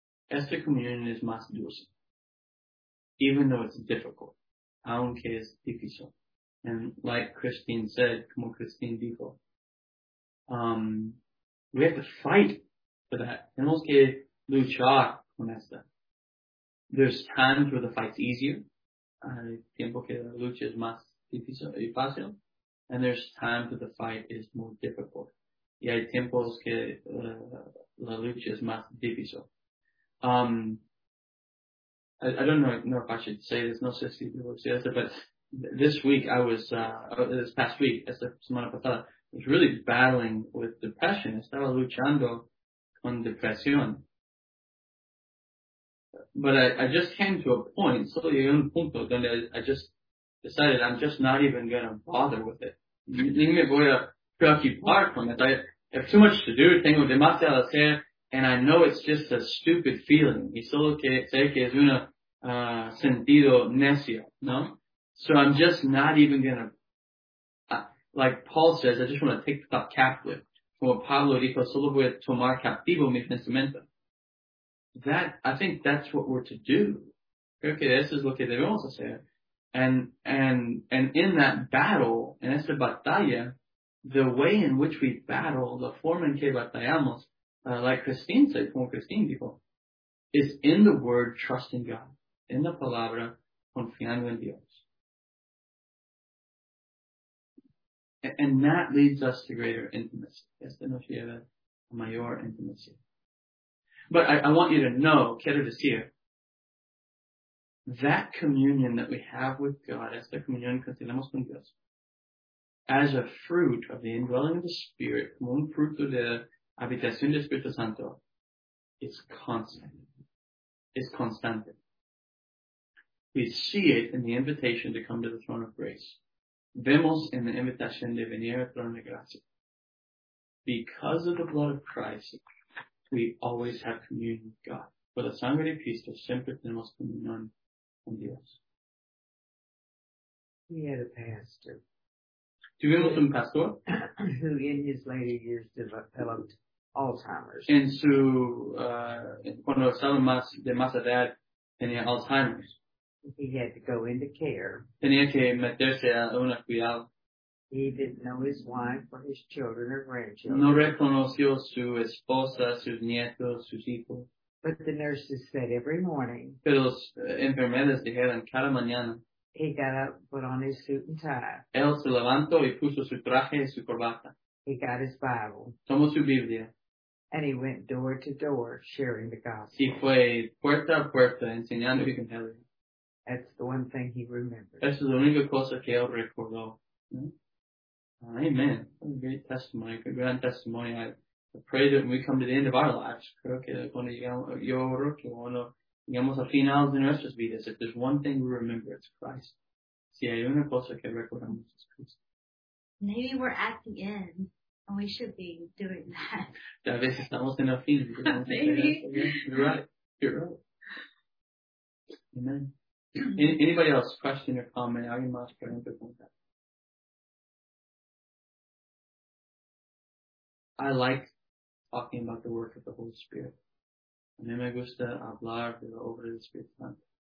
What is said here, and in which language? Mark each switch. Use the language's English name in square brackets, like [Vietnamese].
[Spanish] Esta comunión es más dulce, [English] even though it's difficult, [Spanish] aunque es difícil. [English] And like Christine said, [Spanish] como Christine dijo, [English] we have to fight for that. [Spanish] Tenemos que luchar con esta. [English] There's times where the fight's easier. [Spanish] Hay tiempo que la lucha es más difícil y fácil. [English] And there's times where the fight is more difficult. [Spanish] Y hay tiempos que la lucha es más difícil. [English] I don't know if I should say this. [Spanish] No sé si debo decir esto, [English] but this week I was, this past week, [Spanish] esta semana pasada, [English] I was really battling with depression. [Spanish] Estaba luchando con depresión. [English] But I just came to a point, [Spanish] solo llegué a un punto donde [English] I just decided I'm just not even gonna bother with it. [Spanish] Ni me voy a preocupar con [English] it. I have too much to do, [Spanish] tengo demasiado que hacer, [English] and I know it's just a stupid feeling. [Spanish] Y solo que sé que es una, sentido necio, no? [English] So I'm just not even gonna, like Paul says, I just wanna take the thought captive. [Spanish] Como Pablo dijo, solo voy a tomar captivo mi pensamiento. [English] That, I think that's what we're to do. [Spanish] Creo que eso es lo que debemos hacer. [English] And in that battle, [Spanish] en esa batalla, [English] the way in which we battle, [Spanish] la forma en que batallamos, [English] like Christine said, [Spanish] como Christine dijo, [English] is in the word trusting God, in the [Spanish] palabra confiando en Dios. [English] And that leads us to greater intimacy. [Spanish] Esto nos lleva a mayor [English] intimacy. But I want you to know, [Spanish] quiero decir, [English] that communion that we have with God, [Spanish] esta comunión que tenemos con Dios, [English] as a fruit of the indwelling of the Spirit, [Spanish] como un fruto de habitación del Espíritu Santo, [English] is constant. It's constant. We see it in the invitation to come to the throne of grace. [Spanish] Vemos en la invitación de venir al trono de gracia. [English] Because of the blood of Christ, we always have communion with God. For the [Spanish] sangre de Cristo siempre tenemos comunión con Dios. [English] We had a pastor. [Spanish] Tuvimos un pastor. [English] Who in his later years developed Alzheimer's. [Spanish] En su, cuando estaba más, de más edad, tenía Alzheimer's. [English] He had to go into care. [Spanish] Tenía que meterse a una cuidado. [English] He didn't know his wife or his children or grandchildren. [Spanish] No reconoció su esposa, sus nietos, sus hijos. [English] But the nurses said every morning. [Spanish] Pero los enfermeras dijeron cada mañana. [English] He got up, put on his suit and tie. [Spanish] Él se levantó y puso su traje y su corbata. [English] He got his Bible. [Spanish] Tomó su Biblia. [English] And he went door to door sharing the gospel. [Spanish] Y fue puerta a puerta enseñando el evangelio. [English] That's the one thing he remembered. [Spanish] Esa es la única cosa que él recordó. [English] Amen. A great testimony, a grand testimony. I pray that when we come to the end of our lives, [Spanish] creo que cuando llegamos, yo oro que cuando llegamos a finales de nuestras vidas, [English] if there's one thing we remember, it's Christ. [Spanish] Si hay una cosa que recordamos, es Cristo. [English] Maybe we're at the end, and we should be doing that. [Spanish] Tal vez estamos en el fin. [English] Maybe. You're right. Amen. Anybody else? Question or comment? [Spanish] Alguien más pregunta con [English] that? I like talking about the work of the Holy Spirit. [Spanish] A mí me gusta hablar de la obra del Espíritu Santo.